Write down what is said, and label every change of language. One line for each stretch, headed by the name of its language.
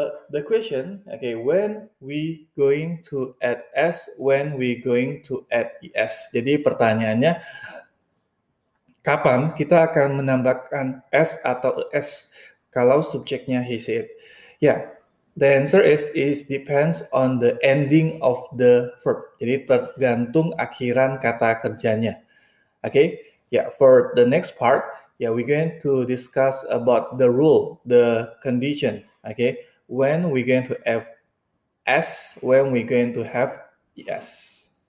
English: The question, okay, when we going to add S, when we going to add ES?
Indonesian: Jadi pertanyaannya, kapan kita akan menambahkan S atau ES kalau subjeknya he said?
English: Yeah, the answer is, it depends on the ending of the verb.
Indonesian: Jadi tergantung akhiran kata kerjanya.
English: Okay, yeah, for the next part, yeah, we're going to discuss about the rule, the condition, okay? When we're going to have S, when we're going to have ES.